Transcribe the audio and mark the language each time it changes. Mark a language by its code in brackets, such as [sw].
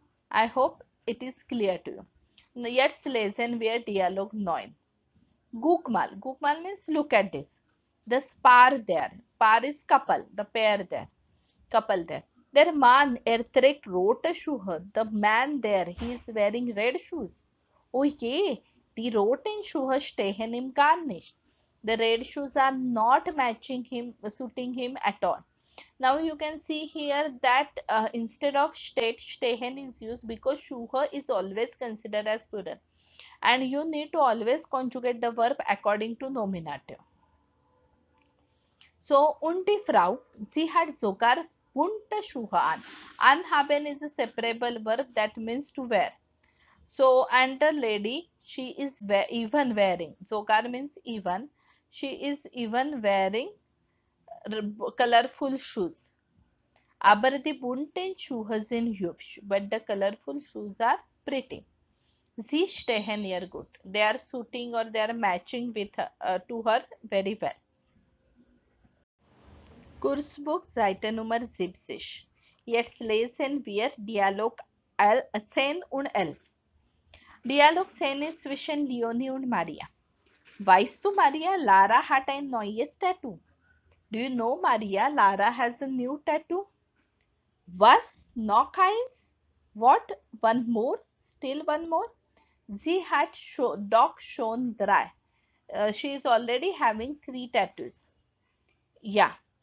[en] I hope it is clear to you. [de] Jetzt lesen wir Dialog 9. Guckmal. [en] Guckmal means look at this. This par there. Par is couple. The pair there. Couple there. [de] Der Mann trägt rote Schuhe. [en] The man there, he is wearing red shoes. Oh yeah, [de] die roten Schuhe stehen ihm gar nicht. [en] The red shoes are not matching him, suiting him at all. Now you can see here that instead of steht, stehen is used because Schuhe is always considered as plural. And you need to always conjugate the verb according to nominative. [de] So, und die Frau, sie hat sogar bunte Schuhe an. [en] Anhaben is a separable verb that means to wear. So, and the lady, she is even wearing. Sogar means even. She is even wearing colorful shoes. [de] Aber die bunten Schuhe sind hübsch. [en] But the colorful shoes are pretty. [de] Sie stehen ihr gut. [en] They are suiting or they are matching with her, to her very well. [de] Kursbuch, Seite Nummer 70. Jetzt lesen wir Dialog 10 und 11. Dialog 10 ist zwischen Leonie und Maria. Weißt du, Maria, Lara hat ein neues Tattoo. [en] Do you know, Maria, Lara has a new tattoo? [de] Was? Noch eins? [en] What? One more? Still one more? [de] Sie hat doch schon drei. [en] She is already having three tattoos. Yeah.